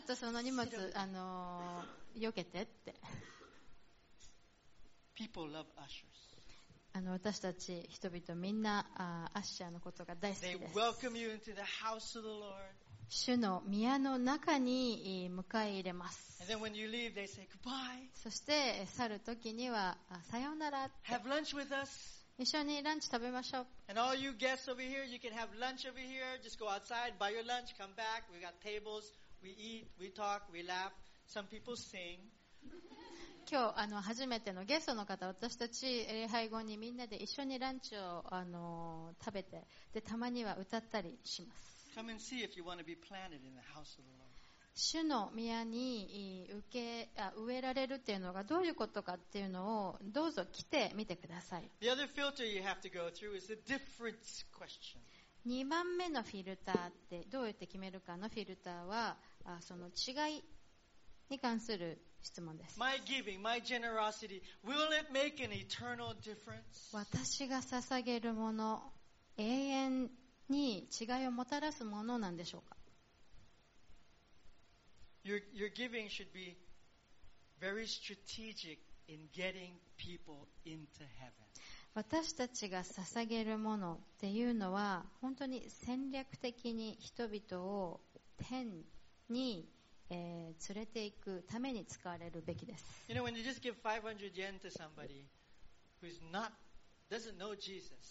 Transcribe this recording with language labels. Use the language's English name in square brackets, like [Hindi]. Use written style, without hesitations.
[Japanese] っとその荷物避けてって。 [English] People love ushers. [Japanese] あの私たち人々みんなアッシャーのことが大好きです。 [English] They welcome you into the house of the Lord. [Japanese] 主の宮の中に迎え入れます。 [English] And then when you leave, they say goodbye. [Japanese] そして去る時にはさようなら、 [English] Have lunch with us. [Japanese] 一緒にランチ食べましょう。 [English] And all you guests over here, you can have lunch over here. Just go outside, buy your lunch, come back. We got tables, we eat, we talk, we laugh. Some people sing. [Japanese] 今日初めてのゲストの方、私たち礼拝後にみんなで一緒にランチを食べて、でたまには歌ったりします。 [English] Come and see if you want to be planted in the house of the Lord. [Japanese] 主の宮に植えられるっていうのがどういうことかっていうのをどうぞ来てみてください。 [English] The other filter you have to go through is the difference question. [Japanese] 2番目のフィルターってどうやって決めるかのフィルターは、その違いに関する質問です。 [English] My giving, my generosity, will it make an eternal difference? [Japanese] 私が捧げるもの、永遠に違いをもたらすものなんでしょうか。 [English] Your giving should be very strategic in getting people into heaven. [Japanese] 私たちが捧げるものっていうのは本当に戦略的に人々を天に、連れていくために使われるべきです。 [English] You know, when you just give 500 yen to somebody who's not, doesn't know Jesus.